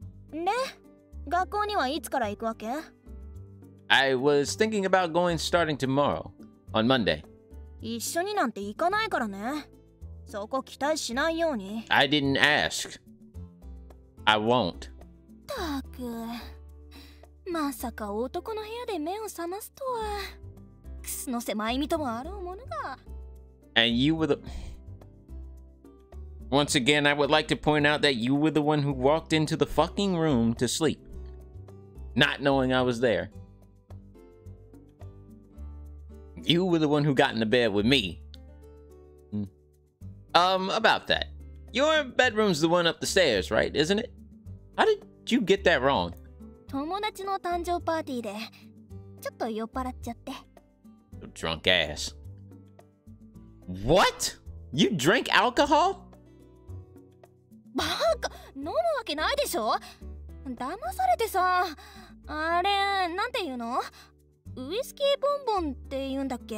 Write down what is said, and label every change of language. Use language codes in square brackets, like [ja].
[ja] で、学校にはいつから行くわけ? [en] I was thinking about going starting tomorrow, on Monday. [ja] 一緒になんて行かないからね。そこ期待しないように。 [en] I didn't ask. I won't. [ja] たく、まさか男の部屋で目を覚ますとは。クスノセマイミともあろうものが。 [en] And you were the... Once again, I would like to point out that you were the one who walked into the fucking room to sleep, not knowing I was there. You were the one who got into bed with me. About that. Your bedroom's the one up the stairs, right? Isn't it? How did you get that wrong? [ja] 友達の誕生パーティーでちょっと酔っ払っちゃって。 [en] Drunk ass. What? You drink alcohol? [ja] バカ、飲むわけないでしょ騙されてさ、あれ、なんて言うのウイスキーボンボンって言うんだっけ